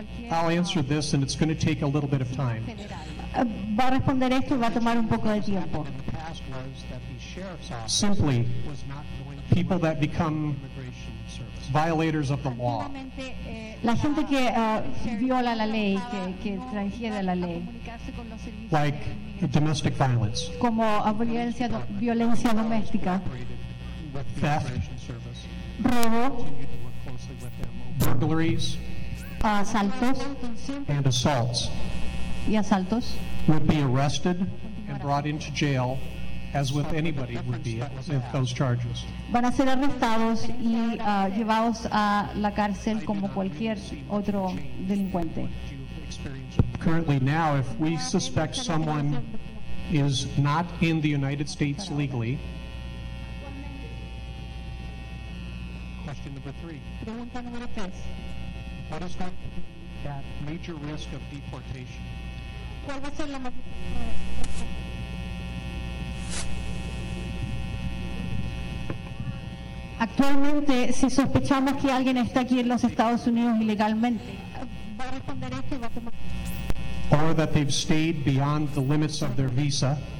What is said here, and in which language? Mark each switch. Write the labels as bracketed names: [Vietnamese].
[English] I'll answer this, and it's going to take a little bit of time. [Spanish] Va a responder esto y va a tomar un poco de tiempo. [English] Simply, people that become violators of the law. [Spanish] La gente que viola la ley, que transgrede la ley. [English] Like domestic violence. [Spanish] Como violencia doméstica. [English] Theft. [Spanish] Robo. [English] Burglaries. [Spanish] Asaltos. [English] And assaults. [Spanish] Y asaltos. [English] Would be arrested and brought into jail, as with anybody would be, with those charges. [Spanish] Van a ser arrestados y llevados a la cárcel como cualquier otro delincuente. [English] Currently now, if we suspect someone is not in the United States legally, question number three. What is that major risk of deportation? [Spanish] Actualmente, si sospechamos que alguien está aquí en los Estados Unidos ilegalmente, [English] or that they've stayed beyond the limits of their visa,